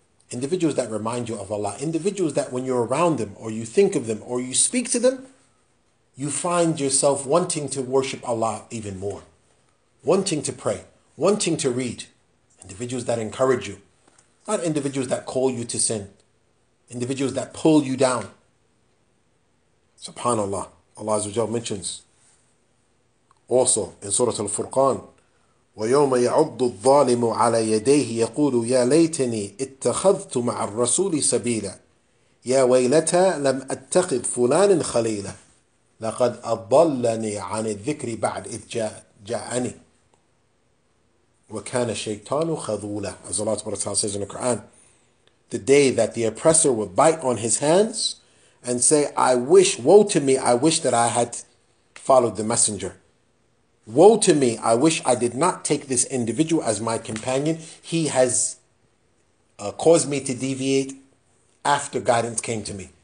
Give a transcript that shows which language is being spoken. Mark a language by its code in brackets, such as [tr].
[en] Individuals that remind you of Allah. Individuals that when you're around them, or you think of them, or you speak to them, you find yourself wanting to worship Allah even more. Wanting to pray, wanting to read, individuals that encourage you, not individuals that call you to sin, individuals that pull you down. SubhanAllah, Allah Azza wa Jalla mentions also in Surah Al-Furqan, [ar] وَيَوْمَ يَعُضُّ الظَّالِمُ عَلَى يَدَيْهِ يَقُولُ يَا لَيْتَنِي اتَّخَذْتُ مَعَ الرَّسُولِ سَبِيلًا يَا وَيْلَتَا لَمْ أَتَّخِذْ فُلَانٍ خَلِيلًا لَقَدْ أَضَلَّنِي عَنِ الذِّكْرِ بَعْدْ إِذْ جَاءَ جَاءَنِي وَكَانَ الشَّيْطَانُ خَذُولًا. [en] As Allah SWT says in the Quran, the day that the oppressor would bite on his hands and say, I wish, woe to me, I wish that I had followed the messenger. Woe to me, I wish I did not take this individual as my companion. He has caused me to deviate after guidance came to me.